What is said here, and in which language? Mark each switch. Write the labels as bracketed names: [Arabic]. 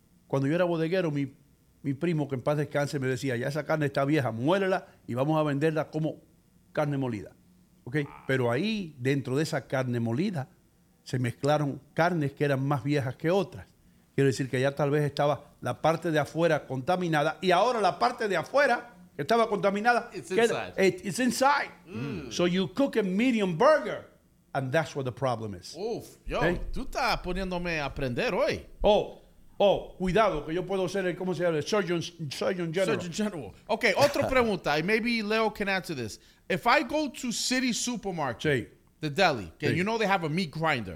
[Spanish] Cuando yo era bodeguero, mi primo, que en paz descanse, me decía, ya esa carne está vieja, muélela y vamos a venderla como carne molida. ¿Okay? Pero ahí, dentro de esa carne molida, se mezclaron carnes que eran más viejas que otras. Quiero decir que ya tal vez estaba la parte de afuera contaminada y ahora la parte de afuera estaba contaminada. [English] It's inside. Mm. So you cook a medium burger and that's what the problem is. [Spanish] Uf, yo, ¿eh? Tú estás poniéndome a aprender hoy. Oh, cuidado, que yo puedo ser el, ¿cómo se llama? [English] Surgeon General. Surgeon General. Ok, [Spanish] otra pregunta, y [English] maybe Leo can answer this. If I go to City Supermarket, [Spanish] sí. [English] The deli, okay, sí. You know they have a meat grinder,